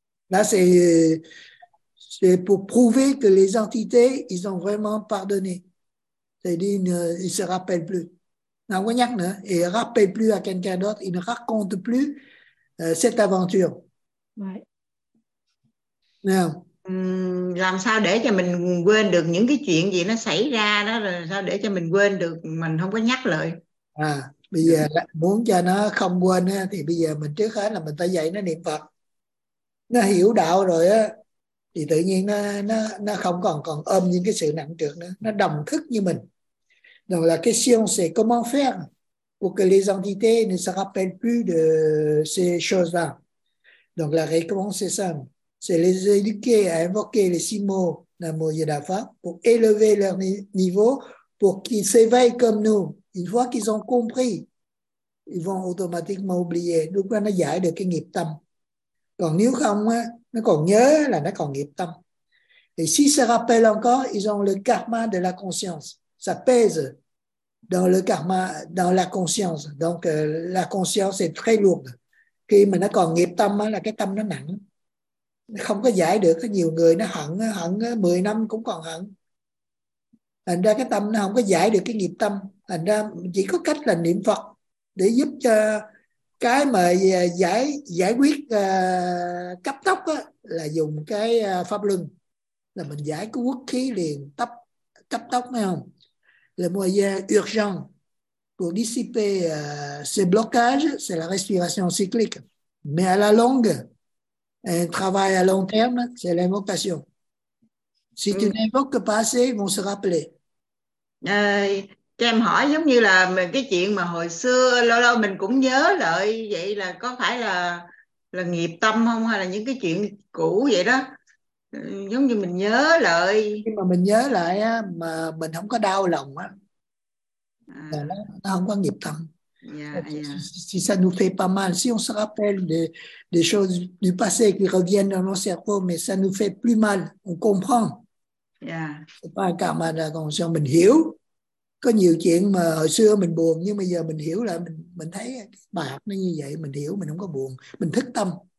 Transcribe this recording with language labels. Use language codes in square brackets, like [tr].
[fr] Là, c'est pour prouver que les entités, ils ont vraiment pardonné. C'est-à-dire, ils ne se rappellent plus. Ils ne rappellent plus à quelqu'un d'autre, ils ne racontent plus cette aventure. Ouais. [en] Yeah. [vi] Làm sao để cho mình quên được những cái chuyện gì nó xảy ra đó, rồi sao để cho mình quên được, mình không có nhắc lại. À, bây giờ muốn cho nó không quên á, thì bây giờ mình trước hết là mình phải dạy nó niệm Phật. Nó hiểu đạo rồi á, thì tự nhiên nó không còn ôm những cái sự nặng trược nữa, nó đồng thức như mình. [fr] Donc la question c'est comment faire pour que les entités ne se rappellent plus de ces choses-là. Donc la réponse est simple, c'est les éduquer à invoquer les 6 mots Namo Yada Phat pour élever leur niveau, pour qu'ils s'éveillent comme nous. Une fois qu'ils ont compris, ils vont automatiquement oublier. Donc là, [vi] nó giải được cái nghiệp tâm. Còn nếu không, nó còn nhớ là nó còn nghiệp tâm. [fr] Et s'ils se rappellent encore, ils ont le karma de la conscience. Ça pèse dans le karma, dans la conscience. Donc la conscience est très lourde. [vi] Khi mà nó còn nghiệp tâm là cái tâm nó nặng. Nó không có giải được. Nhiều người nó hận 10 năm cũng còn hận. Thành ra cái tâm nó không có giải được cái nghiệp tâm. Thành ra chỉ có cách là niệm Phật để giúp cho cái mà giải quyết cấp tốc là dùng cái pháp luân. Là mình giải cái quốc khí liền cấp tốc, nghe không? [fr] Le moyen urgent. Pour dissiper ces blocages, c'est la respiration cyclique. Mais à la longue, un travail à long terme, c'est l'invocation. Si tu n'invoques pas assez, ils vont se rappeler. [vi] Cho em hỏi giống như là cái chuyện mà hồi xưa lâu lâu mình cũng nhớ lại, vậy là có phải là nghiệp tâm không, hay là những cái chuyện cũ vậy đó, giống như mình nhớ lại. Khi mà mình nhớ lại á, mà mình không có đau lòng á, là nó không có nghiệp tâm. [fr] Si ça nous fait pas mal, si on se rappelle des choses du passé qui reviennent dans nos cerveaux, mais ça nous fait plus mal, on comprend. C'est pas un karma de la conscience, [vi] mình hiểu. Có nhiều chuyện mà hồi xưa mình buồn, nhưng bây giờ mình hiểu là mình thấy bạc nó như vậy, mình hiểu, mình không có buồn, mình thức tâm.